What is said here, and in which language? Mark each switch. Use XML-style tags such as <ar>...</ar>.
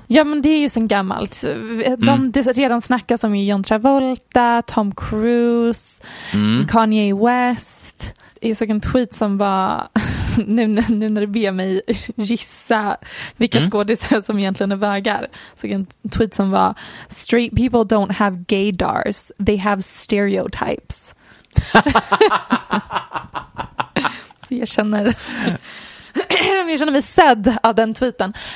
<sv>Ja, men det är ju sen gammalt. De redan snackas om John Travolta, Tom Cruise, Kanye West. Jag såg en tweet som var nu när du ber mig gissa vilka skådisar som egentligen är vägar. Såg en tweet som var:</sv> <en>straight people don't have gaydars, they have stereotypes.</en> <sv>Jag känner mig sedd av den tweeten.</sv>